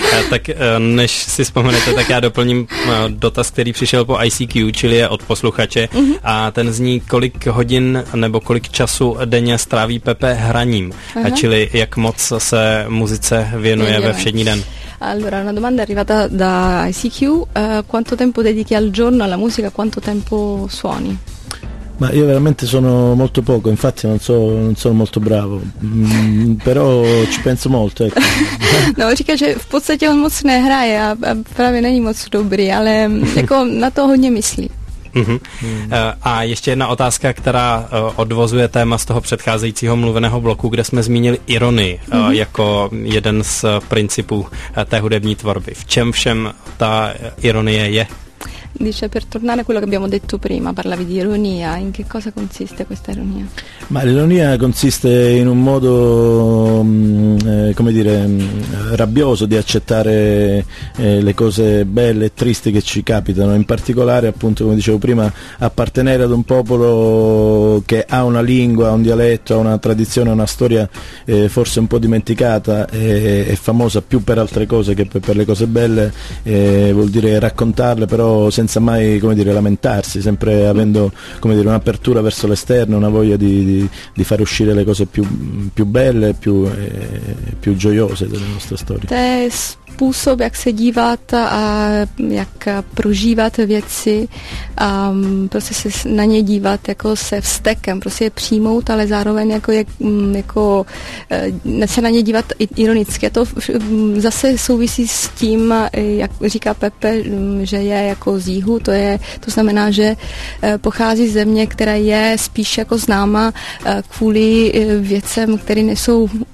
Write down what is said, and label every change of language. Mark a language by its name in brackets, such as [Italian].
[Czech] Tak než si vzpomenete, tak já doplním dotaz, který přišel po ICQ, čili je od posluchače. Mm-hmm. A ten zní, kolik hodin nebo kolik času denně stráví Pepe hraním. Uh-huh. A čili jak moc se muzice věnuje ve všední den. [Italian] Allora, una domanda è arrivata da ICQ. Quanto tempo dedichi al giorno alla musica? Quanto tempo suoni? Ma io veramente sono molto poco, infatti non sono molto bravo, però ci penso molto, ecco. [Czech] No, říká, že v podstatě on moc nehraje a právě není moc dobrý, ale jako na to hodně myslí. Mm-hmm. A ještě jedna otázka, která odvozuje téma z toho předcházejícího mluveného bloku, kde jsme zmínili ironii, mm-hmm, jako jeden z principů té hudební tvorby. V čem všem ta ironie je? [Italian] Dice, per tornare a quello che abbiamo detto prima, parlavi di ironia, in che cosa consiste questa ironia? Ma l'ironia consiste in un modo, come dire, rabbioso di accettare le cose belle e tristi che ci capitano, in particolare, appunto, come dicevo prima, appartenere ad un popolo che ha una lingua, un dialetto, ha una tradizione, una storia forse un po' dimenticata, e famosa più per altre cose che per le cose belle, vuol dire raccontarle però senza mai, come dire, lamentarsi, sempre avendo, come dire, un'apertura verso l'esterno, una voglia di far uscire le cose più belle, più gioiose della nostra storia. [Czech] È způsob, jak se dívat a jak prožívat věci, a prostě se na ně dívat jako se vztekem, prostě je přijmout, ale zároveň jako se na ně dívat ironicky. To zase souvisí s tím, jak říká Pepe, že je jako z jihu, to znamená, že pochází z země, která je spíš jako známa kvůli věcem, které nejsou